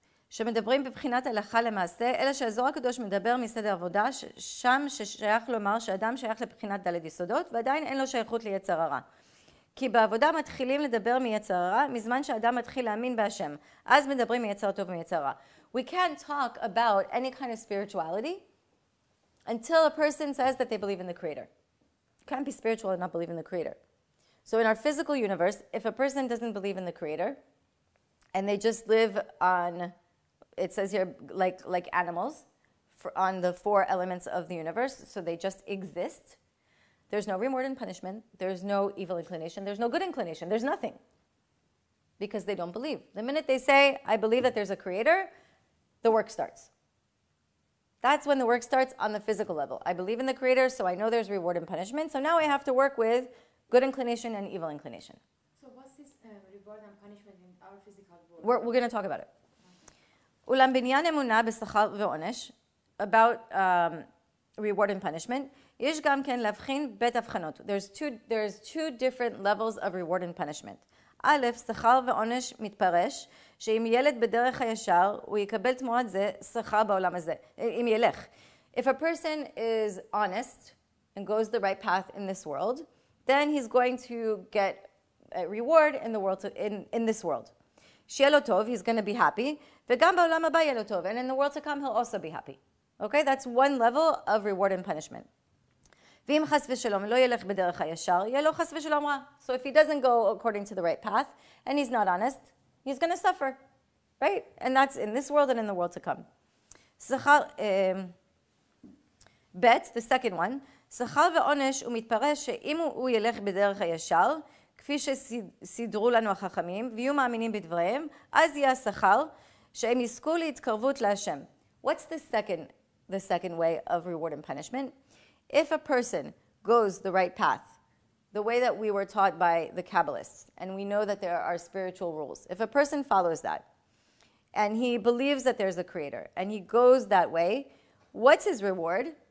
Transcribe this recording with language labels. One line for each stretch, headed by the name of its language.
Hebrew: שמדברים בבחינת הלכה למעשה, אלא שהזוהר הקדוש מדבר מסדר עבודה, שם ששייך לומר שאדם שייך לבחינת דלת יסודות, ועדיין אין לו שייכות ליצר הרע. כי בעבודה מתחילים לדבר מיצר הרע, מזמן שאדם מתחיל להאמין בהשם. אז מדברים מיצר טוב ומיצר רע.
English: We can't talk about any kind of spirituality until a person says that they believe in the creator. You can't be spiritual and not believe in the creator. So in our physical universe, if a person doesn't believe in the creator, and they just live on, it says here, like animals, for, on the four elements of the universe, so they just exist. There's no reward and punishment. There's no evil inclination. There's no good inclination. There's nothing. Because they don't believe. The minute they say, I believe that there's a creator, the work starts. That's when the work starts on the physical level. I believe in the creator, so I know there's reward and punishment. So now I have to work with good inclination and evil inclination. So what's this reward and punishment in our physical world? We're going to talk about it.
Hebrew: אולם בניין אמונה בשכר ועונש,
English: about reward and punishment,
Hebrew: יש גם כן להבחין בית הבחנות.
English: There's two different levels of reward and punishment.
Hebrew: א', שכר ועונש מתפרש, שאם ילד בדרך הישר, הוא יקבל תמורת זה שכר בעולם הזה, אם ילך.
English: If a person is honest and goes the right path in this world, then he's going to get a reward in the world in this world.
Hebrew: שיהיה לו טוב,
English: he's going to be happy,
Hebrew: וגם בעולם הבא יהיה לו טוב,
English: and in the world to come, he'll also be happy. Okay, that's one level of reward and punishment.
Hebrew: ואם חס ושלום לא ילך בדרך הישר, יהיה לו חס ושלום רע.
English: So if he doesn't go according to the right path, and he's not honest, he's going to suffer. Right? And that's in this world and in the world to come.
Hebrew: שכר, בית,
English: the second one,
Hebrew: שכר ועונש הוא מתפרש שאם הוא ילך בדרך הישר, כפי שסידרו לנו החכמים, ויהיו מאמינים בדבריהם, אז יהיה השכר, שהם יזכו להתקרבות להשם.
English: What's the second way of reward and punishment? If a person goes the right path, the way that we were taught by the Kabbalists, and we know that there are spiritual rules, if a person follows that, and he believes that there's a creator, and he goes that way, what's his reward?